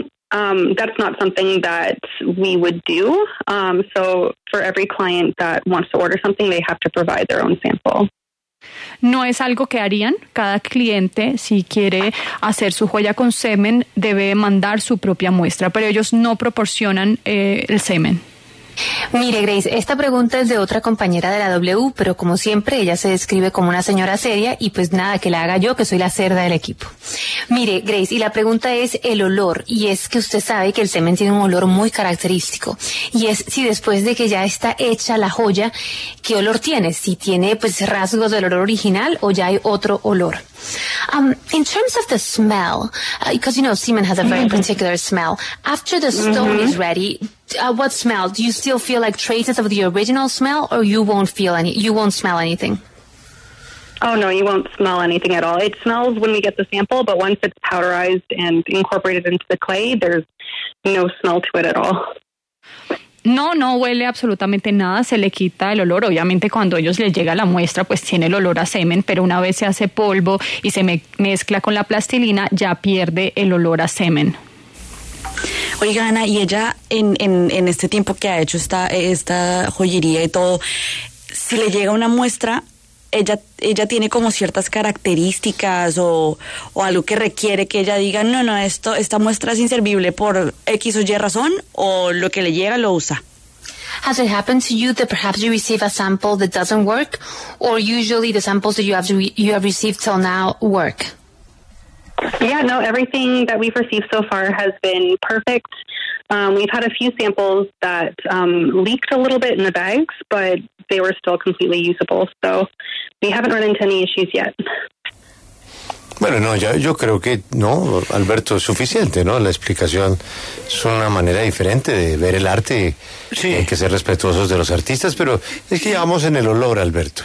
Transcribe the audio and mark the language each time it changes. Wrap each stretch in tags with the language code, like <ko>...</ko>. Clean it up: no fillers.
<en>That's not something that we would do. So for every client that wants to order something, they have to provide their own sample.</en> <es>No es algo que harían. Cada cliente, si quiere hacer su joya con semen, debe mandar su propia muestra, pero ellos no proporcionan el semen. Mire, Grace, esta pregunta es de otra compañera de la W, pero como siempre, ella se describe como una señora seria, y pues nada, que la haga yo, que soy la cerda del equipo. Mire, Grace, y la pregunta es el olor, y es que usted sabe que el semen tiene un olor muy característico, y es si después de que ya está hecha la joya, ¿qué olor tiene? Si tiene pues rasgos del olor original o ya hay otro olor.</es> <en>In terms of the smell, because you know semen has a very particular smell, after the stone is ready, what smell? Do you still feel like traces of the original smell, or you won't smell anything? Oh no, you won't smell anything at all. It smells when we get the sample, but once it's powderized and incorporated into the clay, there's no smell to it at all.</en> <es>No huele absolutamente nada, se le quita el olor. Obviamente cuando ellos les llega la muestra, pues tiene el olor a semen, pero una vez se hace polvo y se mezcla con la plastilina, ya pierde el olor a semen. Oiga, Ana, y ella en este tiempo que ha hecho esta joyería y todo, si le llega una muestra, ella tiene como ciertas características o algo que requiere que ella diga, no, esta muestra es inservible por X o Y razón, o lo que le llega lo usa.</es> <en>Has it happened to you that perhaps you receive a sample that doesn't work, or usually the samples that you have received till now work? Yeah, no, everything that we've received so far has been perfect. We've had a few samples that leaked a little bit in the bags, but they were still completely usable. So we haven't run into any issues yet.</en> <es>Bueno, no, yo creo que no, Alberto, es suficiente, ¿no? La explicación es una manera diferente de ver el arte. Sí. Hay que ser respetuosos de los artistas, pero es que llevamos en el olor, Alberto.</es>